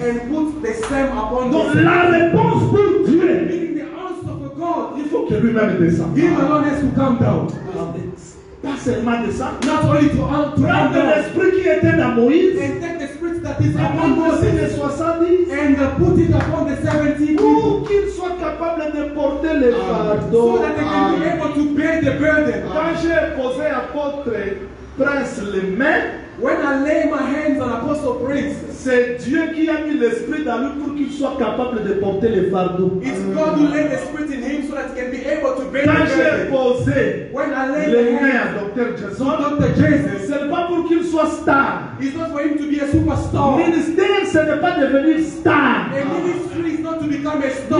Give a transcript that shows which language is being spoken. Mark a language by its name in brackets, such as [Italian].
[English] And put the same upon [French] donc la réponse pour Dieu. [English] Meaning the answer for God. [French] Il faut que lui-même descende. [English] He alone has to come down. [French] Pas seulement descendre. [English] Not only to come down. [French] Prendre l'esprit qui était dans Moïse. [English] And take the spirit that is upon Moses. [French] Les 70. [English] And put it upon the 70. [French] Pour qu'ils soient capables de porter les fardeaux. [English] So that they can be able to bear the burden. [French] Quand j'ai posé apôtre prince les mains. [English] When I lay my hands on apostle prince. [French] C'est Dieu qui a mis l'esprit dans lui pour qu'il soit capable de porter les fardeaux. [English] It's God who laid the spirit in him so that he can be able to bear [French] quand Quand j'ai posé. [English] When I lay [French] les [English] my hands. [French] Dr. Jason. C'est pas pour qu'il soit star. [English] It's not for him to be a superstar. [French] Ministère, ce n'est pas devenir star. [English] A ministry is not to become a star.